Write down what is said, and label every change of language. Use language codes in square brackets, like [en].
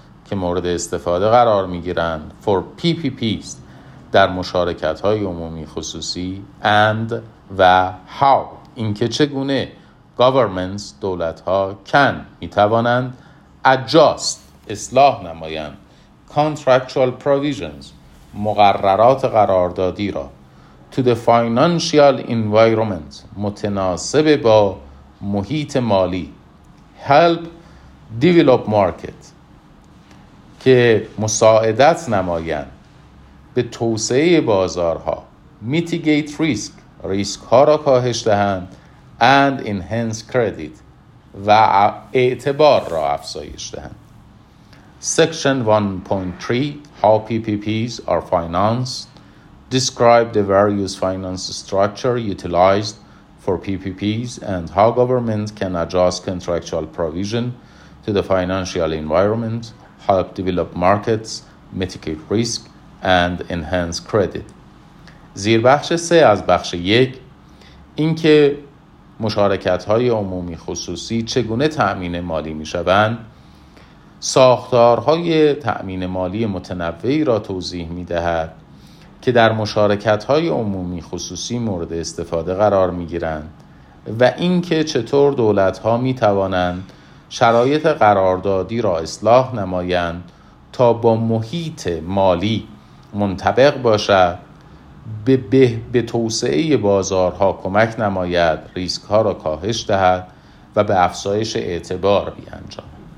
[fa] که مورد استفاده قرار می‌گیرند [en] for PPPs [fa] در مشارکت‌های عمومی خصوصی [en] and [fa] و [en] how [fa] اینکه چگونه [en] governments [fa] دولت‌ها [en] can [fa] می‌توانند [en] adjust [fa] اصلاح نمایند [en] contractual provisions [fa] مقررات قراردادی را [en] to the financial environment [fa] متناسب با محیط مالی [en] help develop market [fa] که مساعدت نمایند به توسعه بازارها [en] mitigate risk [fa] ریسک ها را کاهش دهند [en] and enhance credit [fa] و اعتبار را افزایش دهند. [en] Section 1.3 How PPPs are financed describe the various finance structure utilized for PPPs and how government can adjust contractual provision to the financial environment, help develop markets, mitigate risk, and enhance credit. [fa] زیر بخش 3 از بخش 1 اینکه مشارکت‌های عمومی خصوصی چگونه تأمین مالی می‌شوند، ساختارهای تأمین مالی متنوعی را توضیح می‌دهد که در مشارکت‌های عمومی خصوصی مورد استفاده قرار می‌گیرند و اینکه چطور دولت‌ها می‌توانند شرایط قراردادی را اصلاح نمایند تا با محیط مالی منطبق باشد به توسعه بازارها کمک نماید ریسک‌ها را کاهش دهد و به افزایش اعتبار بیانجامد.